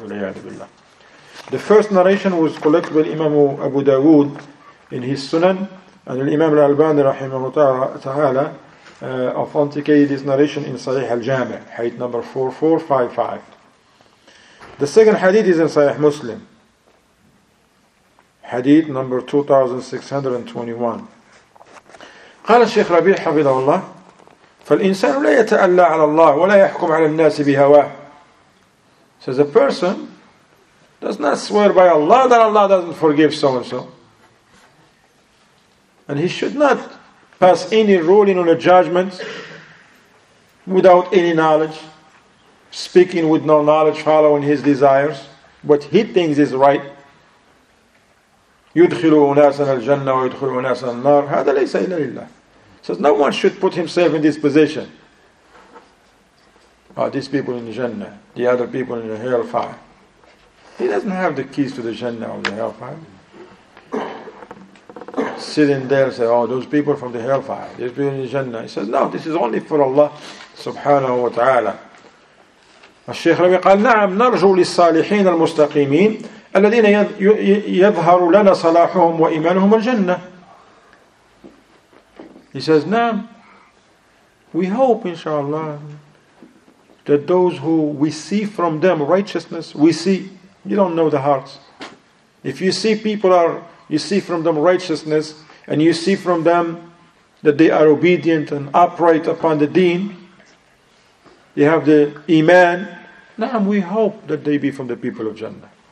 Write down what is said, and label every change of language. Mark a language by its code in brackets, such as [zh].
[en] The first narration was collected by Imam Abu Dawood in his Sunan, and Imam Al-Albani rahimahu ta'ala authenticated this narration in Sahih al-Jami', hadith number 4455. The second hadith is in Sahih Muslim, hadith number 2621. [ar] قال الشيخ ربيع حفظه الله فالإنسان لا يتألى على الله ولا يحكم على الناس بهواه. [en] So the person does not swear by Allah that Allah doesn't forgive so and so, and he should not pass any ruling on a judgment without any knowledge, speaking with no knowledge, following his desires, what he thinks is right. [ar] يدخل أناسا الجنة ويدخل أناسا النار هذا ليس إلا لله. [en] Says no one should put himself in this position. Oh, these people in the Jannah, the other people in the hellfire. He doesn't have the keys to the Jannah or the hellfire. Sitting there and say, oh, those people from the hellfire, these people in the Jannah. He says, no, this is only for Allah subhanahu wa ta'ala. [ar] الشيخ ربي قال نعم نرجو للصالحين المستقيمين الذين يظهر لنا صلاحهم وإيمانهم الجنة. [en] He says, نعم, we hope, inshallah, that those who we see from them righteousness, we see. You don't know the hearts. If you see people are, you see from them righteousness, and you see from them that they are obedient and upright upon the deen, they have the iman, نعم, we hope that they be from the people of Jannah.